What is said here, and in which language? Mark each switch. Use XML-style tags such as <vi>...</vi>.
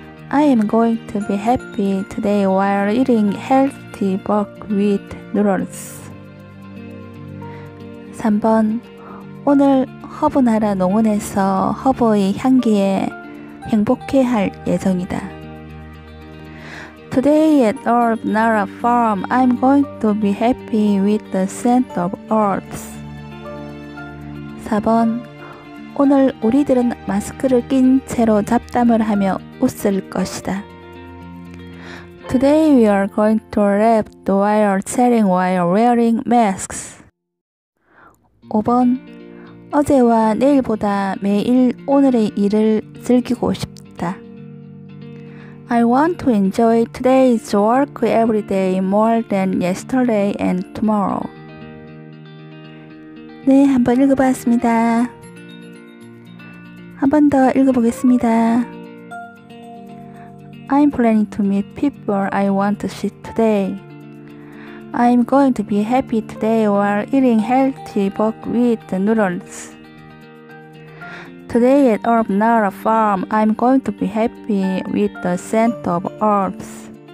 <en>I am going to be happy today while eating healthy buckwheat noodles.</en> <ko>3번. 오늘 허브나라 농원에서 허브의 향기에 행복해 할 예정이다.</ko> <en>Today at Herbnara Farm, I'm going to be happy with the scent of herbs.</en> <ko>4번. 오늘 우리들은 마스크를 낀 채로 잡담을 하며 웃을 것이다.</ko> <en>Today we are going to laugh while chatting while wearing masks.</en> <ko>5번. 어제와 내일보다 매일 오늘의 일을 즐기고 싶다.</ko> <en>I want to enjoy today's work every day more than yesterday and tomorrow.</en> <ko>네, 한번 읽어봤습니다. 한 번 더 읽어보겠습니다.</ko> <en>I'm planning to meet people I want to see today. I'm going to be happy today while eating healthy buckwheat noodles. Today at Herbnara Farm, I'm going to be happy with the scent of herbs.</en>